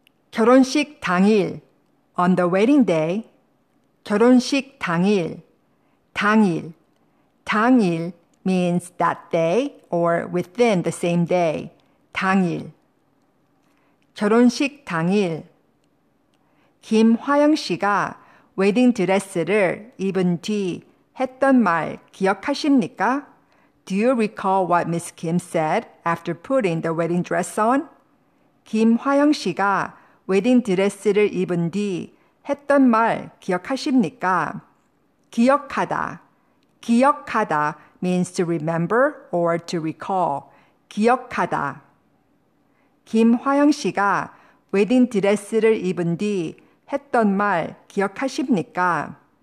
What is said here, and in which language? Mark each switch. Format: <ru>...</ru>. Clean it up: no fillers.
<en>결혼식 당일, on the wedding day, 결혼식 당일, 당일, 당일 means that day or within the same day, 당일.</en> <ko>결혼식 당일, 김화영 씨가 웨딩 드레스를 입은 뒤 했던 말 기억하십니까?</ko> <en>Do you recall what Miss Kim said after putting the wedding dress on?</en> <ko>김화영 씨가 웨딩 드레스를 입은 뒤 했던 말 기억하십니까?</ko> <en>기억하다. 기억하다 means to remember or to recall. 기억하다.</en> <ko>김화영 씨가 웨딩 드레스를 입은 뒤 했던 말 기억하십니까?</ko>